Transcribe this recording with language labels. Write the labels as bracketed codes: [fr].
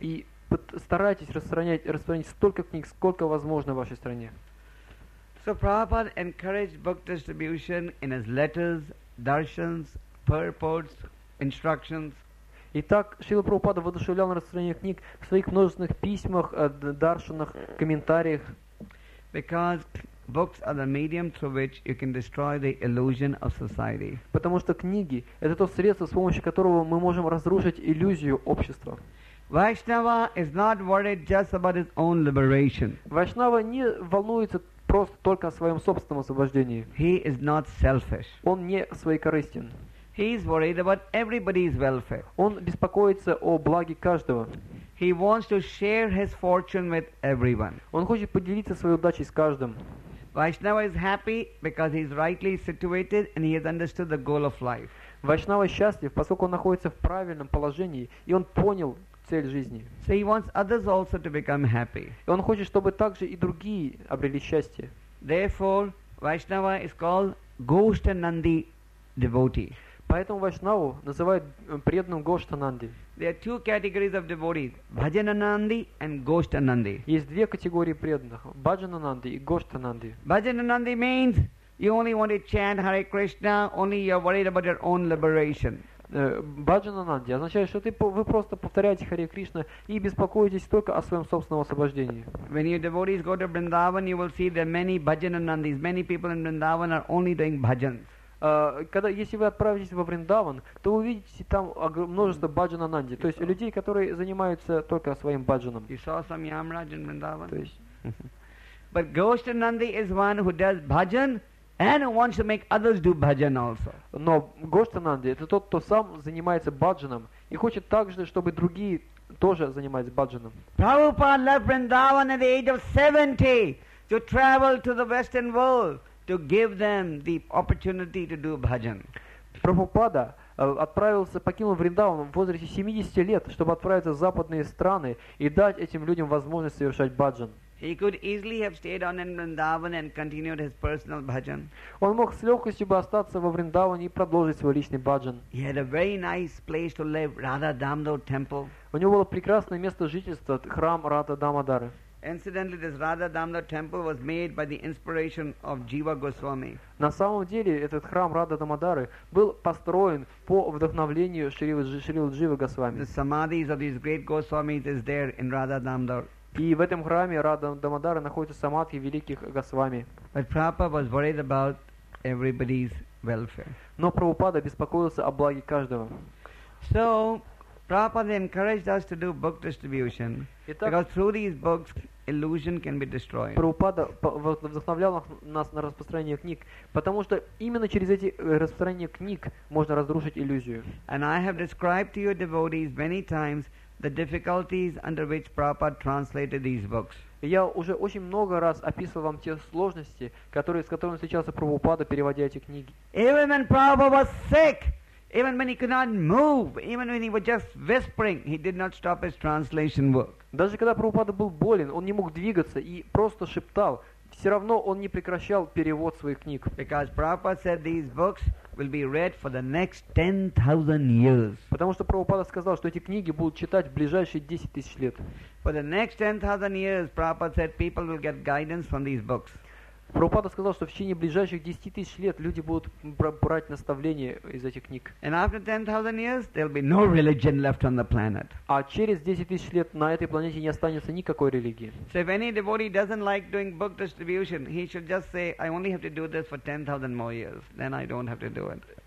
[ru] И старайтесь распространять столько книг, сколько возможно в вашей стране. [en] So Prabhupada encouraged book distribution in his letters, darshans, purports, instructions. [ru] Итак, Шрила Прабхупада воодушевлял на распространение книг в своих множественных письмах, даршанах, комментариях. [en] Because books are the medium through which you can destroy the illusion of society. [ru] Потому что книги — это то средство, с помощью которого мы можем разрушить иллюзию общества. [en] Vaishnava is not worried just about his own liberation. [ru] Vaishnava не волнуется просто только о своем собственном освобождении. [en] He is not selfish. [ru] Он не своекорыстен. [en] He is worried about everybody's welfare. [ru] Он беспокоится о благе каждого. [en] He wants to share his fortune with everyone. [ru] Он хочет поделиться своей удачей с каждым. [en] Vaishnava is happy because he is rightly situated and he has understood the goal of life. [ru] Vaishnava счастлив, поскольку он находится в правильном положении и он понял цель жизни. [en] So he wants others also to become happy. [ru] И он хочет, чтобы также и другие обрели счастье. [en] Therefore, Vaishnava is called Goshtanandi devotee. [ru] Поэтому Вайшнаву называют преданным Гоштананди. [en] There are two categories of devotees: Bhajananandi and Goshtananandi. [ru] Есть две категории преданных: Bhajananandi и Goshtananandi. [en] Bhajananandi means you only want to chant Hare Krishna, only you're worried about your own liberation. [ru] Bhajananandi означает, что вы просто повторяете Харе Кришна и беспокоитесь только о своем собственном освобождении. [en] When your devotees go to Vrindavan, you will see there are many Bhajananandis. Many people in Vrindavan are only doing bhajans. [ru] Если вы отправитесь во Вриндаван, то вы увидите там множество баджанананди, то есть людей, которые занимаются только своим баджаном. [en] You saw some Yamraj in Vrindavan. But Goshtananandi is one who does bhajan and wants to make others do bhajan also. [ru] Но Goshtananandi — это тот, кто сам занимается баджаном и хочет также, чтобы другие тоже занимались баджаном. [en] Prabhupada left Vrindavan at the age of 70 to travel to the Western world. To give them the opportunity to do bhajan. [ru] Прабхупада отправился, покинул Вриндаван в возрасте 70 лет, чтобы отправиться в западные страны и дать этим людям возможность совершать бхаджан. [en] He could easily have stayed on in Vrindavan and continued his personal bhajan. [ru] Он мог с легкостью бы остаться во Вриндаване и продолжить свой личный бхаджан. [en] He had a very nice place to live, Radha Damodar temple. [ru] У него было прекрасное место жительства, храм Радха Дамодары. [en] Incidentally, this Radha Damodar temple was made by the inspiration of Jiva Goswami. [ru] На самом деле, этот храм Радха Дамодары был построен по вдохновению Шрилы Дживы Госвами. [en] The samadhis of these great Goswamis is there in Radha Damodar. [ru] И в этом храме Радха Дамодары находится самадхи великих Госвами. [en] But Prabhupada was worried about everybody's welfare. [ru] Но Прабхупада беспокоился о благе каждого. [en] So Prabhupada encouraged us to do book distribution. [ru] Итак, [en] because through these books, illusion can be destroyed. [ru] Прабхупада вдохновлял нас на распространение книг, потому что именно через эти распространение книг можно разрушить иллюзию. [en] And I have described to your devotees many times the difficulties under which Prabhupada translated these books. [ru] Я уже очень много раз описывал вам те сложности, с которыми встречался Прабхупада, переводя эти книги. [en] Even when Prabhupada was sick. Even when he could not move, even when he was just whispering, he did not stop his translation work. [ru] Даже когда Прабхупада был болен, он не мог двигаться и просто шептал. Все равно он не прекращал перевод своих книг. [en] Because Prabhupada said these books will be read for the next 10,000 years. [ru] Потому что Прабхупада сказал, что эти книги будут читать в ближайшие 10,000 лет. [en] For the next 10,000 years, Prabhupada said people will get guidance from these books. [ru] Прабхупада сказал, что в течение ближайших 10 тысяч лет люди будут брать наставления из этих книг. [en] And after 10,000 years, there'll be no religion left on the planet. [ru] А через 10 тысяч лет на этой планете не останется никакой религии. [en] So if any devotee doesn't like doing book distribution, he should just say, I only have to do this for 10,000 more years, then I don't have to do it.